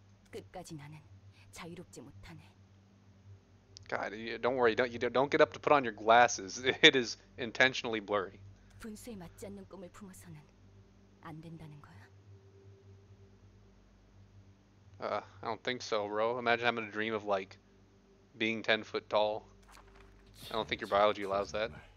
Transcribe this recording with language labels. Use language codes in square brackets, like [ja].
[ko] 끝까지 나는 자유롭지 못하네. [en] God, don't worry. Don't get up to put on your glasses. It is intentionally blurry. [ko] 분수에 맞지 않는 꿈을 품어서는 안 된다는 거야? [en] I don't think so, bro. Imagine having a dream of like being 10 foot tall. I don't think your biology allows that.